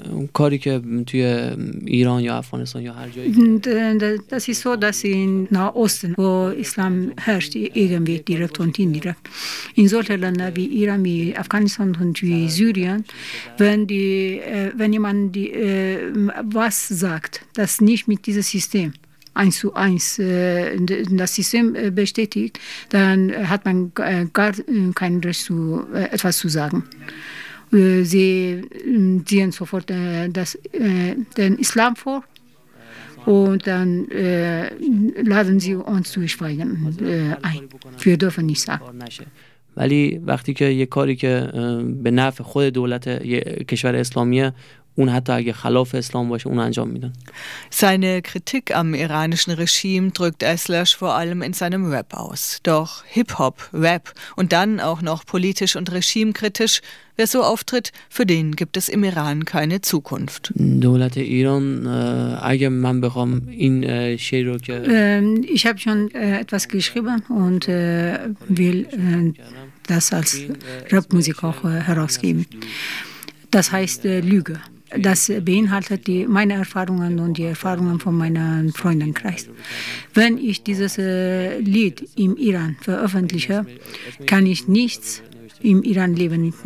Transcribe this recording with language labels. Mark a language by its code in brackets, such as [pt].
[de] Das ist so, dass in Nahosten, wo Islam herrscht, irgendwie direkt und indirekt, in solchen Ländern wie Iran, wie Afghanistan und wie Syrien, wenn jemand was sagt, das nicht mit diesem System 1:1 das System bestätigt, dann hat man gar kein Recht, etwas zu sagen. Sie ziehen sofort den Islam vor und dann laden sie uns zu schweigen ein. Wir dürfen nicht sagen. [fa] ولی وقتی که یک کاری که به نفع خود دولت کشور اسلامیه اون حتی اگه خلاف اسلام باشه اون انجام میدن. [de] Seine Kritik am iranischen Regime drückt A/Slash vor allem in seinem Rap aus. Doch Hip-Hop, Rap und dann auch noch politisch und regimekritisch, wer so auftritt, für den gibt es im Iran keine Zukunft. [fa] دولت ایران اگه من بخوام این شعر رو که [de] ich habe schon etwas geschrieben und will das als Rap-Musik auch herausgeben. Das heißt Lüge. Das beinhaltet meine Erfahrungen und die Erfahrungen von meinem Freundeskreis. Wenn ich dieses Lied im Iran veröffentliche, kann ich nichts im Iran leben.